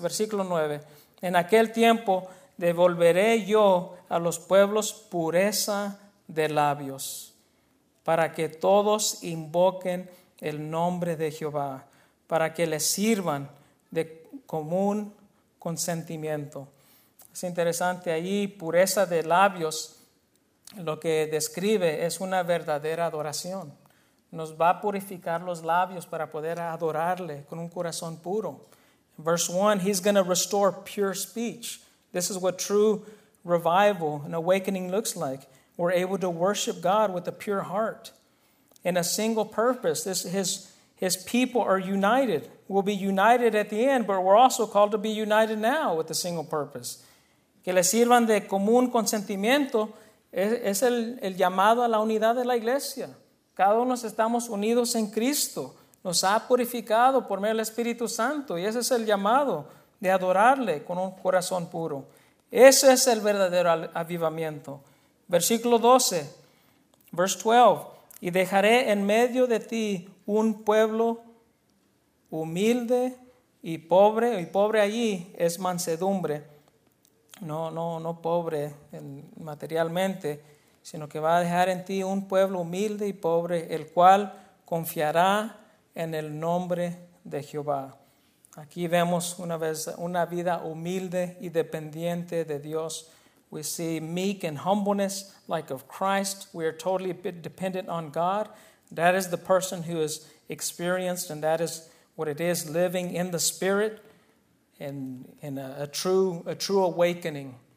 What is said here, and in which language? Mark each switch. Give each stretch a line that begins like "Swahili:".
Spanish: Versículo 9, en aquel tiempo devolveré yo a los pueblos pureza de labios, para que todos invoquen el nombre de Jehová, para que les sirvan de común consentimiento. Es interesante ahí, pureza de labios, lo que describe es una verdadera adoración. Nos va a purificar los labios para poder adorarle con un corazón puro.
English: Verse 1, he's going to restore pure speech. This is what true revival and awakening looks like. We're able to worship God with a pure heart and a single purpose. His people are united. We'll be united at the end, but we're also called to be united now with a single purpose.
Spanish: Que le sirvan de común consentimiento es el llamado a la unidad de la iglesia. Cada uno estamos unidos en Cristo. Nos ha purificado por medio del Espíritu Santo. Y ese es el llamado de adorarle con un corazón puro. Ese es el verdadero avivamiento. Versículo 12,
English: verse 12.
Spanish: Y dejaré en medio de ti un pueblo humilde y pobre. Y pobre allí es mansedumbre. No pobre materialmente, sino que va a dejar en ti un pueblo humilde y pobre, el cual confiará en el nombre de Jehová. Aquí vemos una vez una vida humilde y dependiente de Dios.
English: We see meek and humbleness like of Christ. We are totally dependent on God. That is the person who is experienced, and that is what it is, living in the Spirit in a true awakening.